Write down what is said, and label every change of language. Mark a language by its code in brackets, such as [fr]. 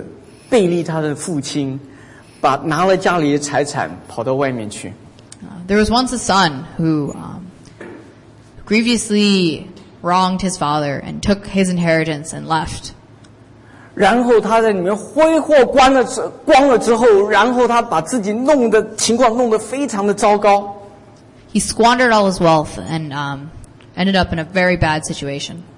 [zh] 他说有一次有一个孩子背离他的父亲。 [en] There was once a son who grievously wronged his father and took his inheritance and left. [zh] 然后他在里面挥霍光了之后，然后他把自己弄的情况弄得非常的糟糕。 [en] He squandered all his wealth and ended up in a very bad situation.